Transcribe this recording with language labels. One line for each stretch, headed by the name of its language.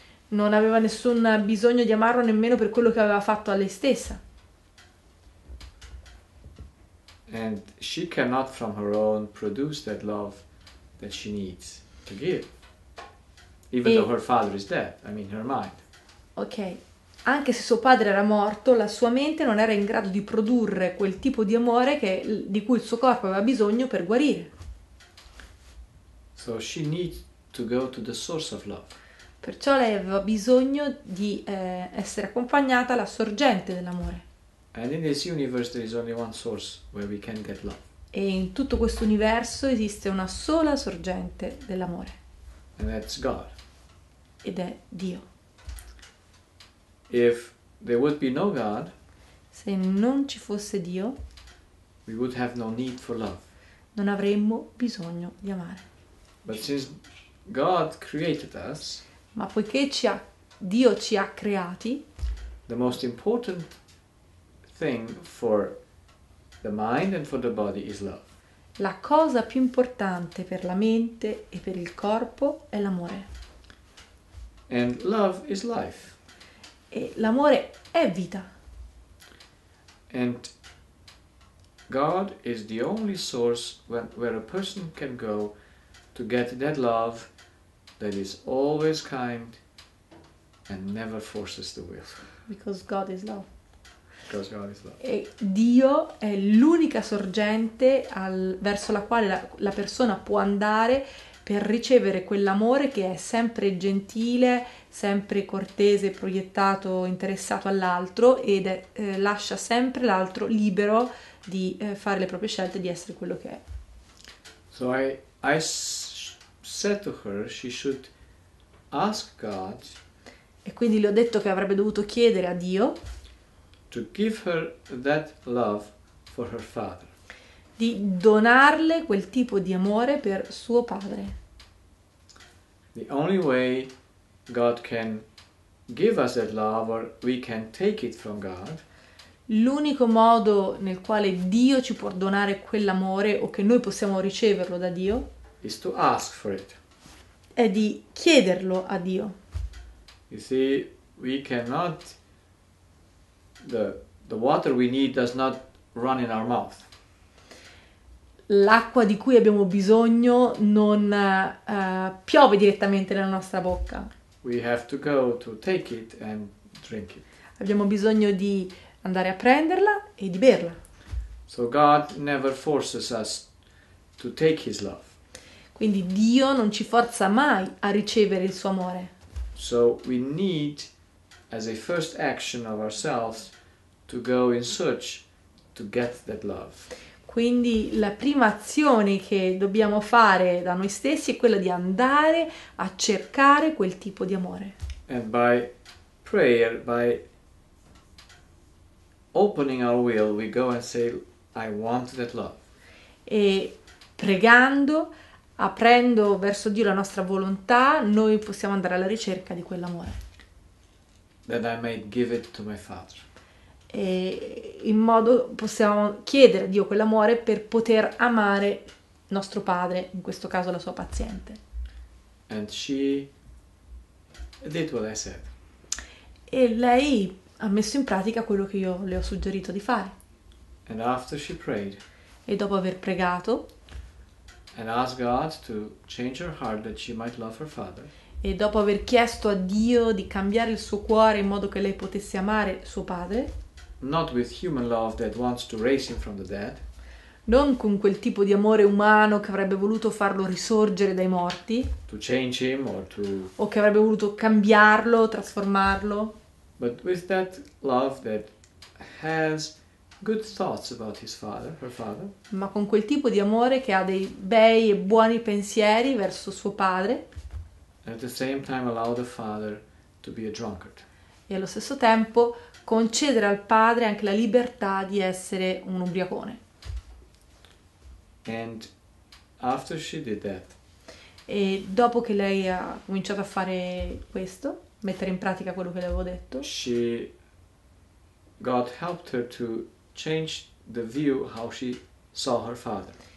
Italian: Non aveva nessun bisogno di amarlo nemmeno per quello che aveva fatto a lei stessa.
English: And she cannot from her own produce that love that she needs to give. Even though her father is dead, I mean her mind. Ok.
Italian: Anche se suo padre era morto, la sua mente non era in grado di produrre quel tipo di amore di cui il suo corpo aveva bisogno per guarire.
English: So she needs to go to the source of love.
Italian: Perciò lei aveva bisogno di essere accompagnata alla sorgente dell'amore.
English: And in this universe there is only one source where we can get love.
Italian: E in tutto questo universo esiste una sola sorgente dell'amore.
English: And that's God.
Italian: Ed è Dio.
English: If there would be no God,
Italian: Se non ci fosse Dio,
English: we would have no need for love.
Italian: non avremmo bisogno di amare.
English: But since God created us,
Italian: Ma poiché Dio ci ha creati,
English: the most important thing for the mind and for the body is love.
Italian: la cosa più importante per la mente e per il corpo è l'amore.
English: And love is life.
Italian: E l'amore è vita.
English: And God is the only source where a person can go to get that love that is always kind and never forces the will. Because God is love. Because God is love.
Italian: E Dio è l'unica sorgente verso la quale la persona può andare per ricevere quell'amore che è sempre gentile, sempre cortese, proiettato, interessato all'altro ed lascia sempre l'altro libero di fare le proprie scelte, di essere quello che è.
English: So I s said to her she should ask God
Italian: E quindi le ho detto che avrebbe dovuto chiedere a Dio
English: to give her that love for her father.
Italian: di donarle quel tipo di amore per suo padre.
English: The only way God can give us that love or we can take it from God
Italian: L'unico modo nel quale Dio ci può donare quell'amore o che noi possiamo riceverlo da Dio
English: is to ask for it.
Italian: è di chiederlo a Dio.
English: You see, we cannot the water we need does not run in our mouth.
Italian: L'acqua di cui abbiamo bisogno non piove direttamente nella nostra bocca.
English: We have to go to take it and drink it.
Italian: Abbiamo bisogno di andare a prenderla e di berla.
English: So God never forces us to take his love.
Italian: Quindi Dio non ci forza mai a ricevere il suo amore.
English: So we need, as a first action of ourselves, to go in search to get that love.
Italian: Quindi la prima azione che dobbiamo fare da noi stessi è quella di andare a cercare quel tipo di amore.
English: And by prayer, by opening our will, we go and say, I want that love.
Italian: E pregando, aprendo verso Dio la nostra volontà, noi possiamo andare alla ricerca di quell'amore.
English: That I may give it to my father.
Italian: E in modo possiamo chiedere a Dio quell'amore per poter amare nostro padre, in questo caso la sua paziente.
English: And she did what I said.
Italian: E lei ha messo in pratica quello che io le ho suggerito di fare.
English: And after she prayed
Italian: E dopo aver pregato,
English: and asked God to change her heart that she might love her father,
Italian: e dopo aver chiesto a Dio di cambiare il suo cuore in modo che lei potesse amare suo padre,
English: not with human love that wants to raise him from the dead,
Italian: non con quel tipo di amore umano che avrebbe voluto farlo risorgere dai morti, o
English: to change him or to.
Italian: che avrebbe voluto cambiarlo, trasformarlo.
English: But with that love that has good thoughts about his father, her father.
Italian: Ma con quel tipo di amore che ha dei bei e buoni pensieri verso suo padre,
English: At the same time allow the father to be a drunkard.
Italian: e allo stesso tempo concedere al padre anche la libertà di essere un ubriacone.
English: And after she did that,
Italian: E dopo che lei ha cominciato a fare questo, mettere in pratica quello che le avevo detto,
English: God helped her to change the view how she saw her father.